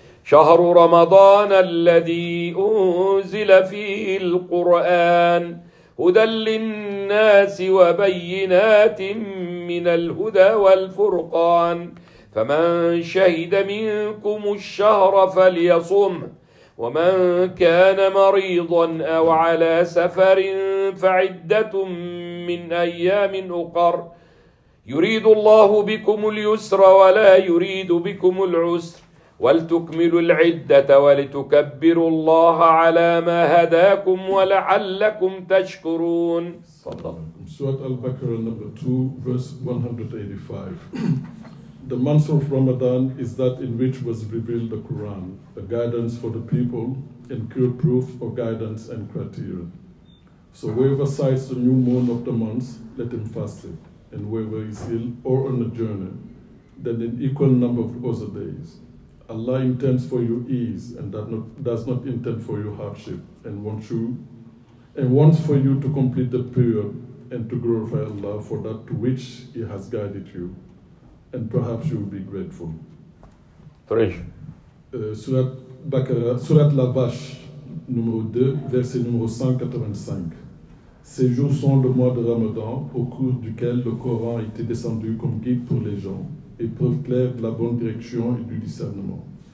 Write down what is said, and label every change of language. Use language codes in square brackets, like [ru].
[ar] شهر رمضان الذي أنزل فيه القرآن هدى للناس وبينات من الهدى والفرقان فمن شهد منكم الشهر فليصم ومن كان مريضا أو على سفر فعدة من أيام أخر يريد الله بكم اليسر ولا يريد بكم العسر ولتكملوا العدة ولتكبروا الله على ما هداكم ولعلكم تشكرون. سورة البقرة [en] number 2 verse 185. The month of Ramadan is that in which was revealed the Quran, a guidance for the people and clear proof of guidance and criteria. So whoever sights the new moon of the month, let him fast it, and whoever is ill or on a journey, then in equal number of other days. Allah intends for you ease and does not intend for you hardship, and wants for you to complete the period and to glorify Allah for that to which He has guided you. And perhaps you will be grateful. Fresh. [fr] Surat Baqarah, Surat La Vache, numéro 2, verset numéro 185. Ces jours sont le mois de Ramadan, au cours duquel le Coran a été descendu comme guide pour les gens, épreuve claire de la bonne direction et du discernement.